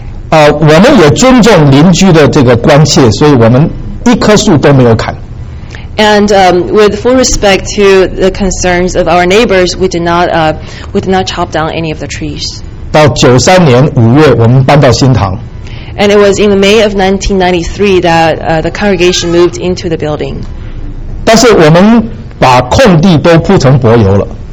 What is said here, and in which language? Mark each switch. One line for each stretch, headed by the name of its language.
Chinese: 我们也尊重邻居的这个关切，所以我们一棵树都没有砍。
English: And with full respect to the concerns of our neighbors, we did not chop down any of the trees.
Chinese: 到1993年5月，我们搬到新堂。
English: And it was in the May of 1993 that the congregation moved into the building.
Chinese: 但是我们把空地都铺成柏油了。